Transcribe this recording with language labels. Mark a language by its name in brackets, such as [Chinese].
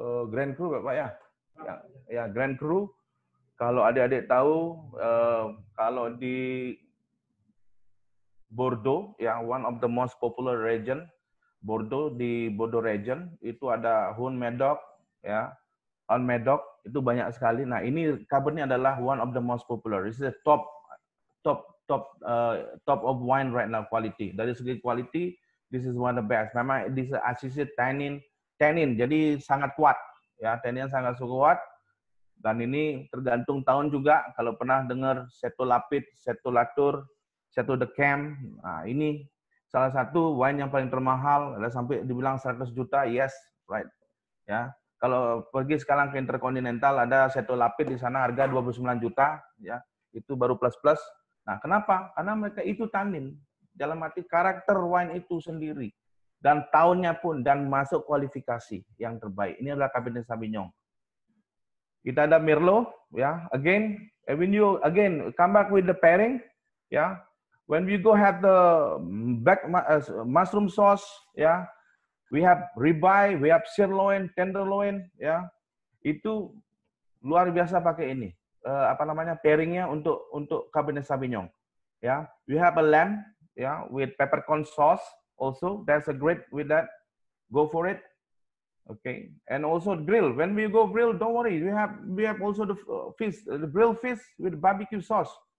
[Indonesian] Grand Cru Pak ya? Ya, Grand Cru. Kalau adik-adik tahu, kalau di Bordeaux, yang [English] one of the most popular region, [Indonesian] Bordeaux, di Bordeaux region, itu ada Hun Medoc, ya, On Medoc, itu banyak sekali. Nah, ini [English] Cabernet adalah one of the most popular. This is the top of wine right now quality. [Indonesian] Dari segi [English] quality, this is one of the best. [Indonesian] Memang, [English] this is associated [Indonesian] tannin, jadi sangat kuat. Ya, tannin sangat kuat. Dan ini tergantung tahun juga. Kalau pernah dengar Chateau Lapid, Chateau Latour, Chateau de Camp, nah ini salah satu wine yang paling termahal, ada sampai dibilang 100 juta, yes, right. Ya. Kalau pergi sekarang ke Intercontinental, ada Chateau Lapid di sana harga 29 juta, ya. Itu baru plus-plus. Nah, kenapa? Karena mereka itu tanin, dalam arti karakter wine itu sendiri. Dan tahunnya pun, dan masuk kualifikasi yang terbaik. Ini adalah Cabernet Sauvignon. Kita ada [English] Merlot, ya. Again, when you again come back with the pairing, ya. Yeah. When we go have the back mushroom sauce, ya. Yeah. We have ribeye, we have sirloin, tenderloin, ya. Yeah. [Indonesian] Itu luar biasa pakai ini. Pairingnya untuk Cabernet Sauvignon, ya. [English] Yeah. We have a lamb, ya, yeah, with peppercorn sauce also. That's a great with that. Go for it. Okay, and also grill. When we go grill, don't worry. We have also the fish, the grilled fish with barbecue sauce.